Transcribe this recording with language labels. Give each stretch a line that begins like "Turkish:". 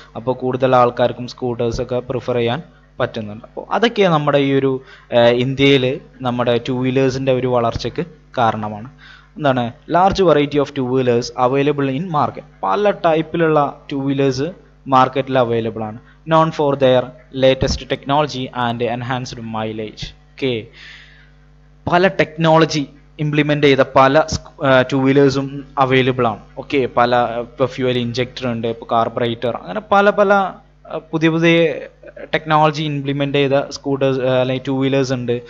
Malayalam: അപ്പോൾ കൂടുതൽ ആൾക്കാർക്കും സ്കൂട്ടേഴ്സൊക്കെ പ്രിഫർ ചെയ്യാൻ പറ്റുന്നുണ്ട്. അപ്പോൾ അതൊക്കെയാണ് നമ്മുടെ ഈ ഒരു ഇന്ത്യയിൽ നമ്മുടെ ടു വീലേഴ്സിൻ്റെ ഒരു വളർച്ചയ്ക്ക് കാരണമാണ്. എന്താണ്,
English: Large variety of two wheelers available in market.
Malayalam: പല ടൈപ്പിലുള്ള ടു വീലേഴ്സ് മാർക്കറ്റിൽ അവൈലബിളാണ്.
English: known for their latest technology and enhanced mileage.
Malayalam: Okay, pala technology implement ചെയ്ത പല ടു വീലേഴ്സും അവൈലബിൾ ആണ്. ഓക്കെ, പല ഇപ്പോൾ ഫ്യൂവൽ ഇഞ്ചക്ടർ ഉണ്ട്, ഇപ്പോൾ കാർബറേറ്റർ, അങ്ങനെ പല പല പുതിയ പുതിയ ടെക്നോളജി ഇംപ്ലിമെൻ്റ് ചെയ്ത സ്കൂട്ടേഴ്സ് അല്ലെങ്കിൽ ടു വീലേഴ്സ് ഉണ്ട്.